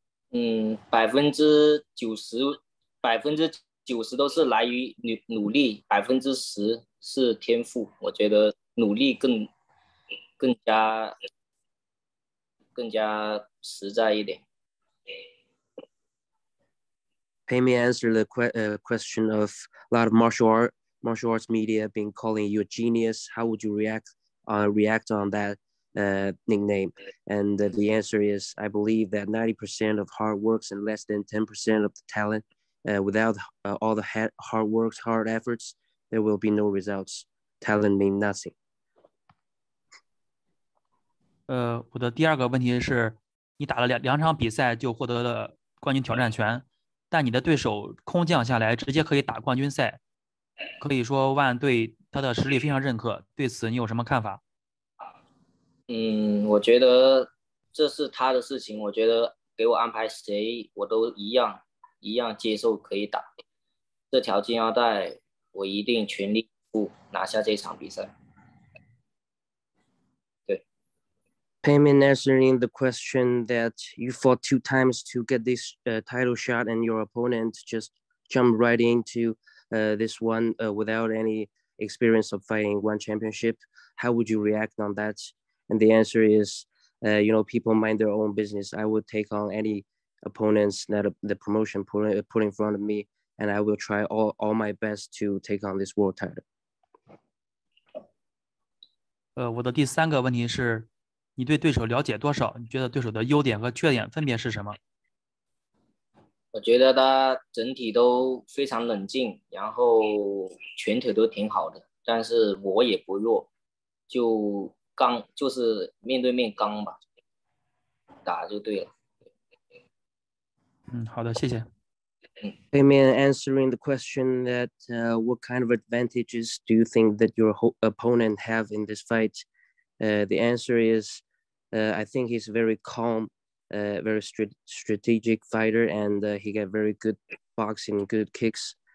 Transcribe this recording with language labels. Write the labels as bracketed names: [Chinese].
[Chinese] 90% 都是来于努力，10%是天赋。我觉得努力更加实在一点。 [English] Pay me answer the question of a lot of martial arts media been calling you a genius. How would you react on that nickname? And the answer is, I believe that 90% of hard works and less than 10% of the talent. Without all the hard works, hard efforts, there will be no results. Talent mean nothing. [Chinese] 我的第二个问题是，你打了两场比赛就获得了冠军挑战权，但你的对手空降下来直接可以打冠军赛，可以说万对他的实力非常认可，对此你有什么看法？我觉得这是他的事情，我觉得给我安排谁我都一样接受，可以打这条金腰带，我一定全力以赴拿下这场比赛。对。 [English] Peimian answering the question that you fought two times to get this title shot and your opponent just jumped right into this one without any experience of fighting one championship. How would you react on that? And the answer is, people mind their own business. I would take on any opponents that the promotion put in front of me, and I will try all my best to take on this world title. [Chinese] 我的第三个问题是，你对对手了解多少？你觉得对手的优点和缺点分别是什么？我觉得他整体都非常冷静，然后拳腿都挺好的，但是我也不弱，就刚就是面对面刚吧，打就对了。好的，谢谢。 [English] Peimian answering the question that what kind of advantages do you think that your opponent have in this fight? The answer is, I think he's very calm, very strategic fighter, and he got very good boxing, good kicks.